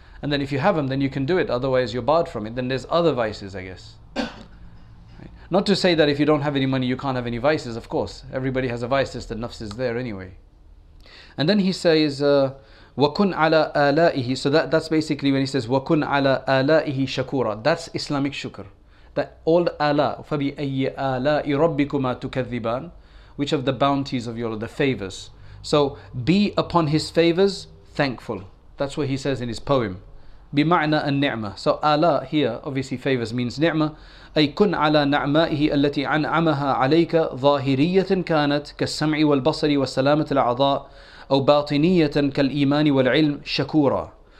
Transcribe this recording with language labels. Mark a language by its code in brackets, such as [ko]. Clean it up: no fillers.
[en] And then if you have them, then you can do it. Otherwise, you're barred from it. Then there's other vices, I guess. Right? Not to say that if you don't have any money, you can't have any vices. Of course, everybody has a vice. Just the nafs is there anyway. And then he says, [ar] وَكُنْ عَلَىٰ آلَائِهِ. [en] So that's basically when he says, [ar] وَكُنْ عَلَىٰ آلَائِهِ شَكُورًا. [en] That's Islamic shukr. That old [ar] ala, فَبِأَيِّ آلَاءِ رَبِّكُمَا تُكَذِّبَانِ. [en] Which of the bounties of your, the favors. So be upon his favors thankful. That's what he says in his poem. [ar] بِمَعْنَا النِّعْمَةِ. [en] So Allah here, obviously favors means ni'mah. [ar] أَيْ كُنْ عَلَىٰ نَعْمَائِهِ أَلَّتِي عَنْعَمَهَا عَلَيْكَ ظَاهِرِيَّةً كَانَتْ كَالسَّمْعِ وَالْبَصَرِ وَالسَّلَامَةِ الْعَضَاءِ أَوْ بَاطِنِيَّةً كَالْإِيمَانِ وَالْعِلْمِ شَكُورًا.